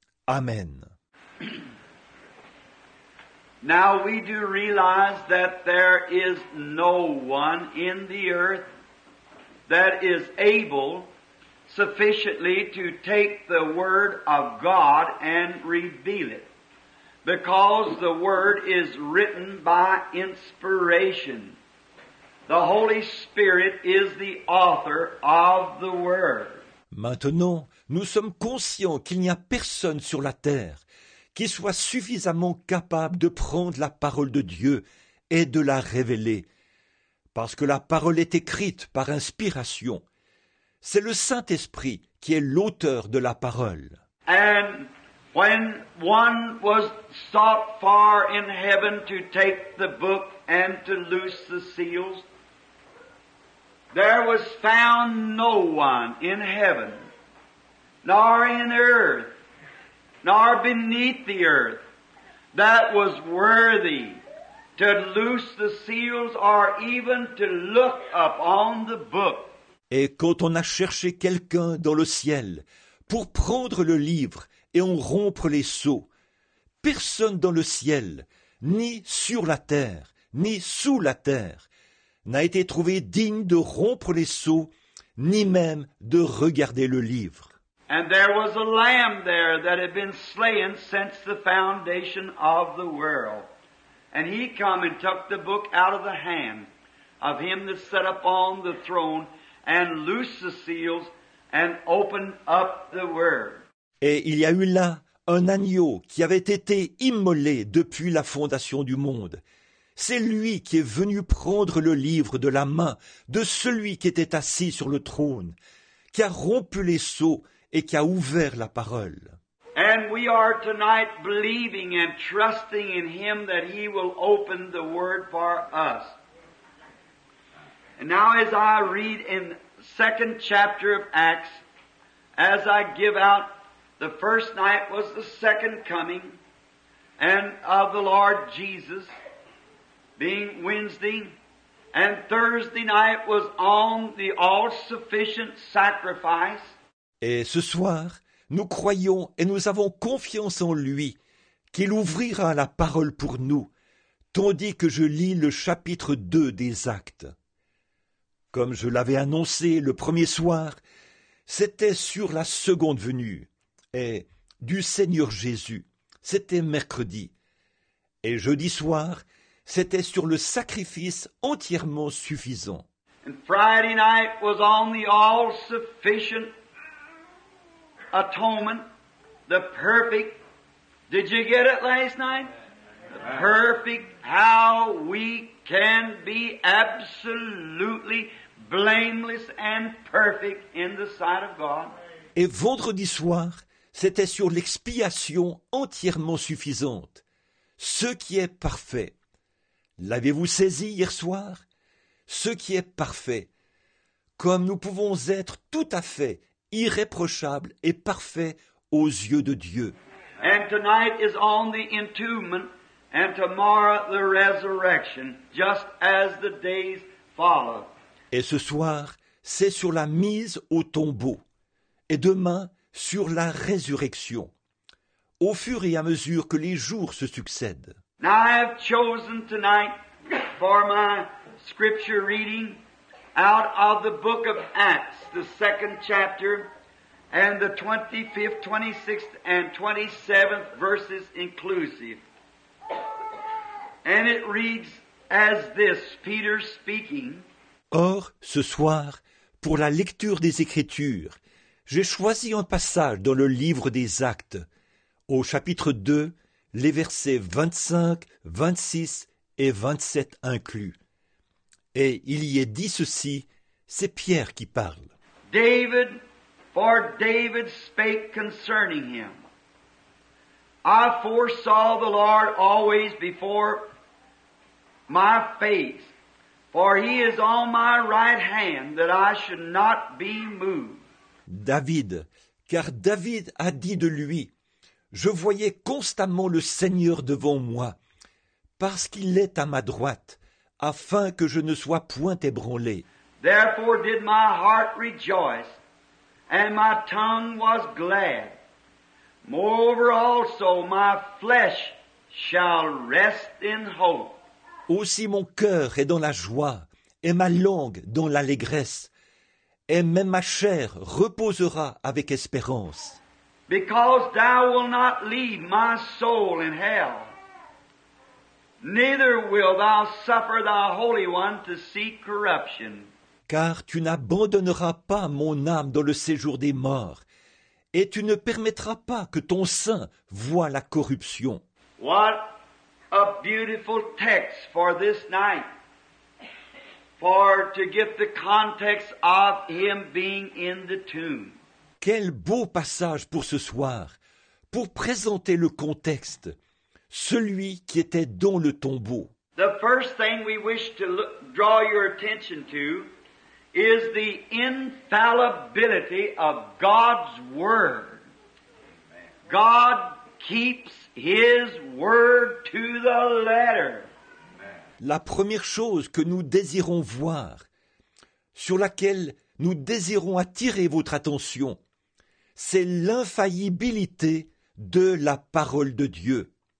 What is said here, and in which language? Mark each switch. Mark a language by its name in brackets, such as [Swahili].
[English] Amen. Now we do realize that there is no one in the earth that is able sufficiently to take the Word of God and reveal it. Because the Word is written by inspiration. The Holy Spirit is the author of the Word. [French] Maintenant, nous sommes conscients qu'il n'y a personne sur la terre qui soit suffisamment capable de prendre la parole de Dieu et de la révéler. Parce que la parole est écrite par inspiration. C'est le Saint-Esprit qui est l'auteur de la parole. [English] And when one was sought far in heaven to take the book and to loose the seals, there was found no one in heaven, nor in earth, nor beneath the earth, that was worthy to loose the seals or even to look upon the book. [French] Et quand on a cherché quelqu'un dans le ciel pour prendre le livre et en rompre les sceaux, personne dans le ciel, ni sur la terre, ni sous la terre, n'a été trouvé digne de rompre les sceaux, ni même de regarder le livre. [English] And there was a lamb there that had been slain since the foundation of the world. And he came and took the book out of the hand of him that sat upon the throne and loosed the seals and opened up the word. [French] Et il y a eu là un agneau qui avait été immolé depuis la fondation du monde. C'est lui qui est venu prendre le livre de la main de celui qui était assis sur le trône, qui a rompu les sceaux et qui a ouvert la parole. [English] And we are tonight believing and trusting in him that he will open the word for us. And now as I read in the second chapter of Acts, as I give out, the first night was the second coming and of the Lord Jesus, being Wednesday, and Thursday night was on the all-sufficient sacrifice. [French] Et ce soir, nous croyons et nous avons confiance en lui qu'il ouvrira la parole pour nous, tandis que je lis le chapitre 2 des Actes. Comme je l'avais annoncé le premier soir, c'était sur la seconde venue. Et du Seigneur Jésus, c'était mercredi. Et jeudi soir, c'était sur le sacrifice entièrement suffisant. [English] And Friday night was on the all-sufficient atonement, the perfect. Did you get it last night? The perfect, how we can be absolutely blameless and perfect in the sight of God. [French] Et vendredi soir, c'était sur l'expiation entièrement suffisante, ce qui est parfait. L'avez-vous saisi hier soir? Ce qui est parfait, comme nous pouvons être tout à fait irréprochables et parfaits aux yeux de Dieu. [English] And tonight is on the entombment, and tomorrow the resurrection, just as the days follow. [French] Et ce soir, c'est sur la mise au tombeau, et demain, sur la résurrection, au fur et à mesure que les jours se succèdent. [English] Now I have chosen tonight for my scripture reading out of the book of Acts, the second chapter, and the 25th, 26th, and 27th verses inclusive. And it reads as this, Peter speaking. [French] Or, ce soir, pour la lecture des Écritures, j'ai choisi un passage dans le livre des Actes, au chapitre 2, les versets 25, 26 et 27 inclus. Et il y est dit ceci, c'est Pierre qui parle. [English] David, for David spake concerning him. I foresaw the Lord always before my face, for he is on my right hand that I should not be moved. [French] David, car David a dit de lui, « Je voyais constamment le Seigneur devant moi, parce qu'il est à ma droite, afin que je ne sois point ébranlé. » [English] Therefore did my heart rejoice, and my tongue was glad. Moreover also my flesh shall rest in hope. [French] Aussi mon cœur est dans la joie, et ma langue dans l'allégresse. et même ma chair reposera avec espérance. [English] Because thou wilt not leave my soul in hell. Neither will thou suffer thy holy one to see corruption. [French] Car tu n'abandonneras pas mon âme dans le séjour des morts, et tu ne permettras pas que ton saint voie la corruption. [English] What a beautiful text for this night, for to get the context of him being in the tomb. [French] Quel beau passage pour ce soir, pour présenter le contexte. Celui qui était dans le tombeau. [English] The first thing we wish to draw your attention to is the infallibility of God's word. God keeps his word to the letter. [French] La première chose que nous désirons voir, sur laquelle nous désirons attirer votre attention, c'est l'infaillibilité de la parole de Dieu.